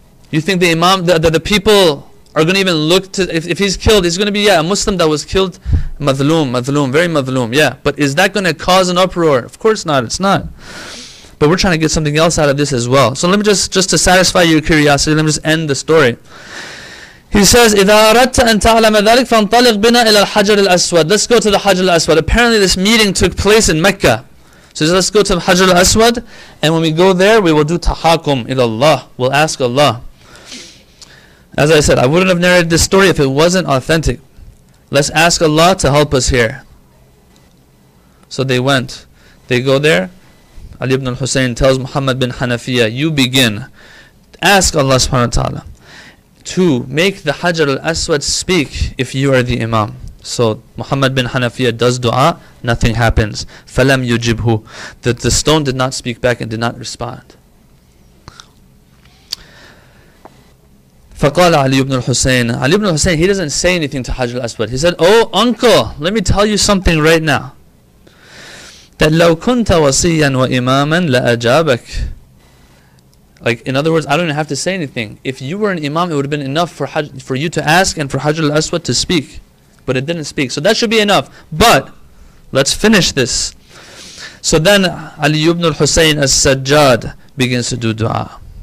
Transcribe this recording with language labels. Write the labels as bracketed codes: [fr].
[en] You think the Imam, the people are going to even look to, if he's killed, he's going to be, yeah, a Muslim that was killed, madhloom, very madhloom, yeah. But is that going to cause an uproar? Of course not, it's not. But we're trying to get something else out of this as well. So let me just to satisfy your curiosity, let me just end the story. He says, [ar] إِذَا أَرَدْتَ أَن تَعْلَمَ ذَلِكَ فَانْطَلِقْ بِنَا إِلَى الْحَجَرِ الْأَسْوَدِ. [en] Let's go to the Hajar al-Aswad. Apparently this meeting took place in Mecca. So he says, let's go to Hajar al-Aswad. And when we go there, we will do [ar] tahakum ila Allah. [en] We'll ask Allah. As I said, I wouldn't have narrated this story if it wasn't authentic. Let's ask Allah to help us here. So they went. They go there. Ali ibn al-Husayn tells Muhammad bin Hanafiyyah, you begin. Ask Allah subhanahu wa ta'ala to make the Hajar al-Aswad speak if you are the Imam. So Muhammad bin Hanafiyyah does dua, nothing happens. [ar] فَلَمْ يُجِبْهُ. [en] The stone did not speak back and did not respond. [ar] فَقَالَ عَلِيُّ بْنُ الْحُسَيْنِ. [en] Ali ibn al-Husayn, he doesn't say anything to Hajar al-Aswad. He said, oh uncle, let me tell you something right now. That [ar] لَوْ كُنْتَ وَصِيًّا وَإِمَامًا لَأَجَابَكَ. [en] Like, in other words, I don't even have to say anything. If you were an Imam, it would have been enough for you to ask and for Hajar al-Aswad to speak. But it didn't speak. So that should be enough. But, let's finish this. So then, Ali ibn al-Husayn as-Sajjad begins to do dua.